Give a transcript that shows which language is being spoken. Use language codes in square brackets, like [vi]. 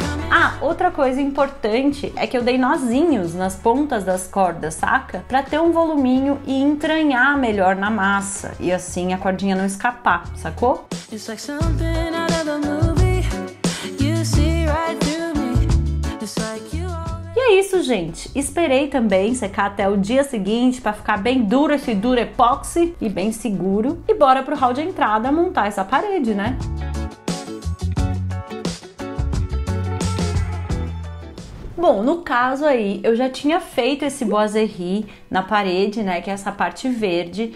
[pt] Ah, outra coisa importante é que eu dei nozinhos nas pontas das cordas, saca? Pra ter um voluminho e entranhar melhor na massa. E assim a cordinha não escapar, sacou? [en] It's like something out of the movie. You see right through me. It's like you. [pt] É isso, gente. Esperei também secar até o dia seguinte para ficar bem duro esse duro epóxi e bem seguro. E bora pro hall de entrada montar essa parede, né? Bom, no caso aí, eu já tinha feito esse boiserie na parede, né, que é essa parte verde.